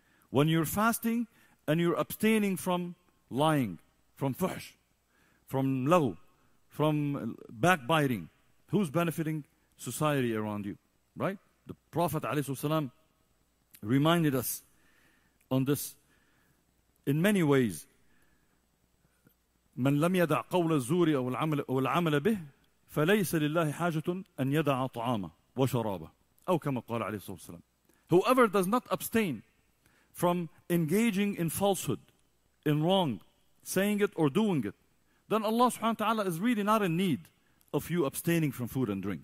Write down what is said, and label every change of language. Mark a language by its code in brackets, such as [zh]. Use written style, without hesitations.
[en] When you're fasting and you're abstaining from lying, from fahsh, from law, from backbiting, who's benefiting society around you, right? The Prophet ﷺ reminded us on this in many ways. [ar] مَنْ لَمْ يَدَعْ قَوْلَ الزُّورِ أَوْ الْعَمَلَ بِهِ فليس لله حاجة أن يدع طعامه وشرابه أو كما قال عليه الصلاة والسلام. [en] Whoever does not abstain from engaging in falsehood, in wrong, saying it or doing it, then Allah subhanahu wa ta'ala is really not in need of you abstaining from food and drink.